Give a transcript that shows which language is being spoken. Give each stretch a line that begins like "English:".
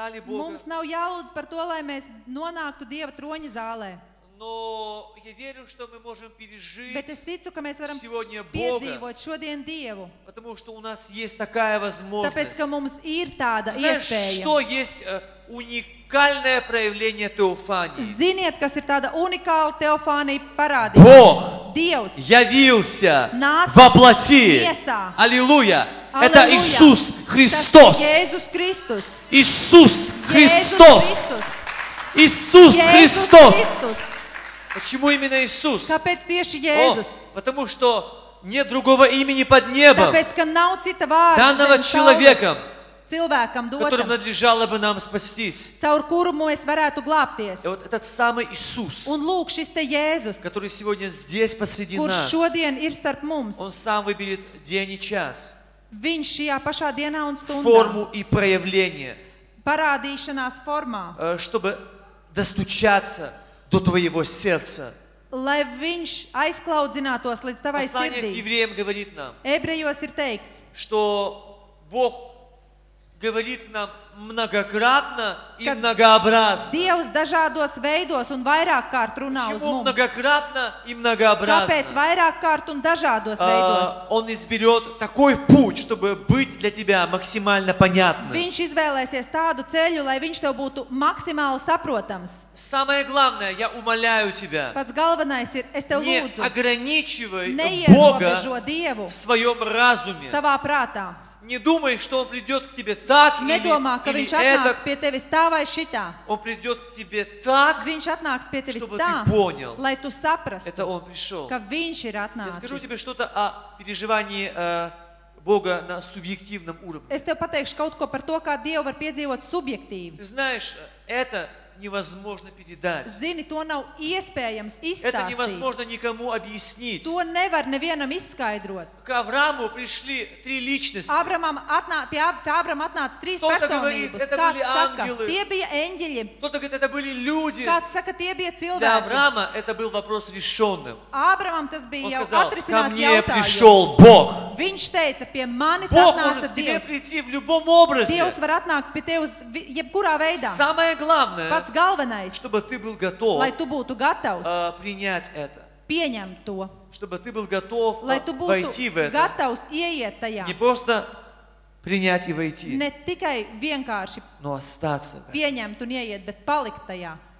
Latvian: Mums nav jālūdz par to, lai mēs nonāktu Dieva troņa zālē.
Russian: Но я верю, что мы можем пережить.
Latvian: Bet es ticu, ka mēs varam
Russian: сегодня Бога,
Latvian: piedzīvot šodien Dievu.
Russian: Потому что у нас есть такая возможность.
Latvian: Tāpēc, ka mums ir tāda iespēja.
Russian: Что есть уникальное проявление теофании?
Latvian: Ziniet, kas ir tāda unikāla teofānija parādība? Dievs
Russian: явился во плоти. Аллилуйя. Это Иисус Христос.
Latvian: Jēzus Kristus.
Russian: Иисус Христос. Иисус Христос. Почему именно Иисус?
Latvian: Капец, тише, Иисус.
Russian: Потому что нет другого имени под небом.
Latvian: Капец, ка нау цита вар.
Russian: Данного человеком.
Latvian: Цилвеком дотам.
Russian: Которым надлежало бы нам спастись.
Latvian: Caur kuru mēs varētu glābties.
Russian: И вот этот самый Иисус.
Latvian: Un lūk, šis te Jēzus.
Russian: Который сегодня здесь посреди
Latvian: kurš
Russian: нас.
Latvian: Kurš šodien ir starp mums.
Russian: Он сам выберет день и час.
Latvian: Viņš šajā pašā dienā un stundā.
Russian: Форму и проявление.
Latvian: Parādīšanās formā.
Russian: Чтобы достучаться до твоего сердца.
Latvian: Lai viņš aizklaudzinātos līdz tavai
Russian: Послание Послание евреям говорит нам.
Latvian: Ebrejos ir teikts.
Russian: Что Бог говорит нам многократно и многообразно.
Latvian: Dievs dažādos veidos un vairāk kārt runā uz mums.
Russian: Многократно и многообразно.
Latvian: Kāpēc vairāk kārt un dažādos veidos?
Russian: Он изберет такой путь, чтобы быть для тебя максимально понятным.
Latvian: Viņš izvēlēsies tādu ceļu, lai viņš tev būtu maksimāli saprotams.
Russian: Самое главное, я умоляю тебя.
Latvian: Pats galvenais ir, es tev lūdzu.
Russian: Не ограничивай Бога в своем разуме.
Latvian: Savā prātā.
Russian: Не думай, что он придет к тебе так или,
Latvian: Nedomā, ka
Russian: или
Latvian: viņš atnāks pie tevis tā vai šitā.
Russian: Он придет к тебе так,
Latvian: viņš atnāks pie tevis
Russian: чтобы
Latvian: tā,
Russian: ты понял,
Latvian: lai tu saprastu,
Russian: это он пришел.
Latvian: Ka viņš ir atnācis.
Russian: Я скажу тебе что-то о переживании Бога на субъективном уровне.
Latvian: Es tev pateikšu kaut ko par to, kā Dievu var piedzīvot subjektīvi.
Russian: Ты знаешь, это невозможно передать.
Latvian: Zini, to nav iespējams izstāstīt.
Russian: Это невозможно никому объяснить.
Latvian: To nevar nevienam izskaidrot.
Russian: К Аврааму пришли три личности.
Latvian: Абрамам Абрам atnāca trīs personības.
Russian: Это были ангелы.
Latvian: Tie bija eņģeļi.
Russian: Кто-то говорит, это были люди.
Latvian: Kāds saka, tie bija cilvēki.
Russian: Для Авраама это был вопрос решённым.
Latvian: Абрамам tas bija
Russian: он
Latvian: jau
Russian: сказал,
Latvian: atrisināts
Russian: ко мне
Latvian: jautājums.
Russian: Пришёл Бог.
Latvian: Viņš teica, pie manis
Russian: Бог
Latvian: atnāca
Russian: может К тебе прийти в любом образе.
Latvian: Dievs var atnākt pie tevis jebkurā veidā.
Russian: Самое главное.
Latvian: Pats galvenais,
Russian: чтобы ты был готов,
Latvian: lai tu būtu gatavs
Russian: принять это,
Latvian: pieņem to,
Russian: чтобы ты был готов
Latvian: lai tu būtu
Russian: войти в это,
Latvian: gatavs ieiet tajā,
Russian: не просто принять и войти,
Latvian: ne tikai vienkārši
Russian: но остаться,
Latvian: pieņemt un ieiet, bet palikt tajā.